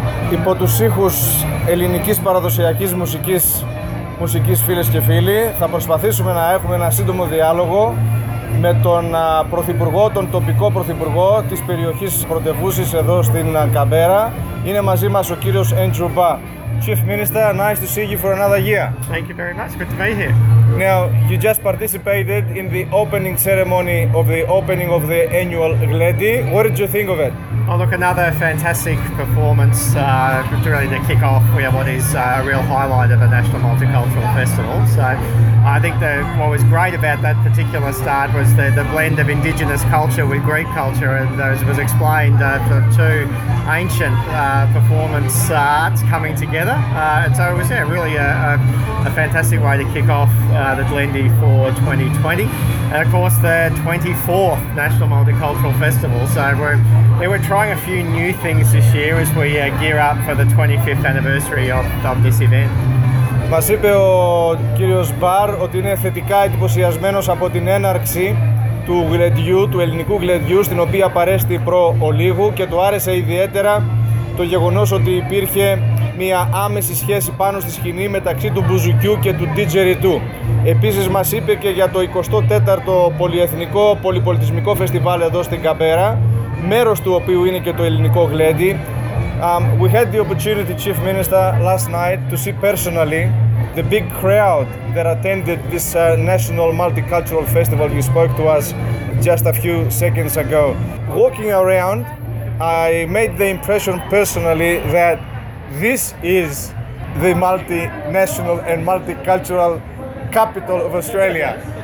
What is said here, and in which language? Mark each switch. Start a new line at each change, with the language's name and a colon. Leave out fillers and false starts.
Greek: Υπό τους ήχους ελληνικής παραδοσιακής μουσικής, φίλες και φίλοι, θα προσπαθήσουμε να έχουμε ένα σύντομο διάλογο με τον πρωθυπουργό, τον τοπικό πρωθυπουργό της περιοχής Πρωτευούσης εδώ στην Καμπέρα. Είναι μαζί μας ο κύριος Andrew Bar.
English: Chief Minister, nice to see you for another year. Thank you very much, good to be here. Now, you just participated in the opening ceremony of the opening of the annual Gledi. What did you think of it? Oh, look, another fantastic performance. Really, to kick off, we have what is a real highlight of a National Multicultural Festival. So I think what was great about that particular start was the blend of Indigenous culture with Greek culture, and as was explained, for two ancient performance arts coming together. So it was really a fantastic way to kick off the Glendi for 2020. And of course, the 24th National Multicultural Festival. So we're trying a few new things this year as we gear up for the 25th anniversary of this event.
Greek: Μας είπε ο κύριος Μπαρ ότι είναι θετικά εντυπωσιασμένος από την έναρξη του γλεντιού, του ελληνικού γλεντιού, στην οποία παρέστη προ ολίγου, και του άρεσε ιδιαίτερα το γεγονός ότι υπήρχε μια άμεση σχέση πάνω στη σκηνή μεταξύ του μπουζουκιού και του ντιτζεριτού. Επίσης μας είπε και για το 24ο Πολυεθνικό Πολυπολιτισμικό Φεστιβάλ εδώ στην Καμπέρα, μέρος του οποίου είναι και το ελληνικό γλέντι.
English: We had the opportunity, Chief Minister, last night to see personally the big crowd that attended this National Multicultural Festival you spoke to us just a few seconds ago. Walking around, I made the impression personally that this is the multinational and multicultural capital of Australia.